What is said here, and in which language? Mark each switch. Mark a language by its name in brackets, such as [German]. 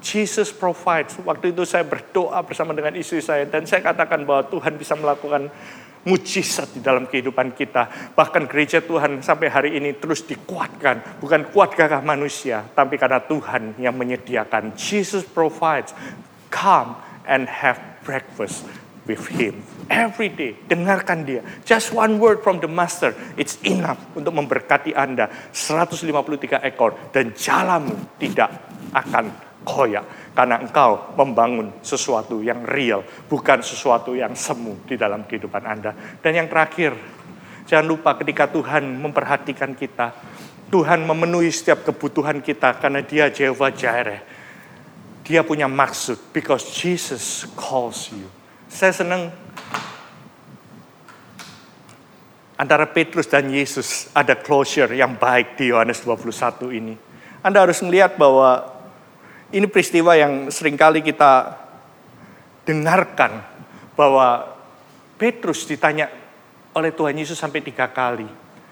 [English] Jesus provides. [Indonesian] Waktu itu saya berdoa bersama dengan istri saya. Dan saya katakan bahwa Tuhan bisa melakukan mujizat di dalam kehidupan kita. Bahkan gereja Tuhan sampai hari ini terus dikuatkan. Bukan kuat gagah manusia. Tapi karena Tuhan yang menyediakan. [English] Jesus provides. Come and have breakfast with him. Every day, [Indonesian] dengarkan dia. [English] Just one word from the master, it's enough [Indonesian] untuk memberkati Anda. 153 ekor, dan jalanmu tidak akan koyak. Karena engkau membangun sesuatu yang real, bukan sesuatu yang semu di dalam kehidupan Anda. Dan yang terakhir, jangan lupa ketika Tuhan memperhatikan kita, Tuhan memenuhi setiap kebutuhan kita, karena dia Jehovah Jireh. Dia punya maksud, [English] because Jesus calls you. [Indonesian] Saya senang antara Petrus dan Yesus ada closure yang baik di Yohanes 21 ini. Anda harus melihat bahwa ini peristiwa yang seringkali kita dengarkan, bahwa Petrus ditanya oleh Tuhan Yesus sampai 3 kali.